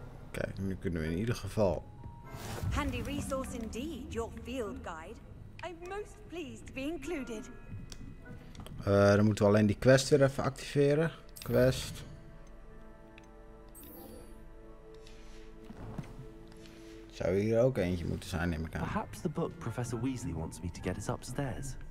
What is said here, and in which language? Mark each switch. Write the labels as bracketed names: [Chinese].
[Dutch] Kijk, nu kunnen we in ieder geval. [English] Handy resource indeed, your field guide. I'm most pleased to be included. [Dutch] Dan moeten we alleen die quest weer even activeren. Quest. Zou hier ook eentje moeten zijn, neem ik aan. [English] Perhaps the book Professor Weasley wants me to get us upstairs.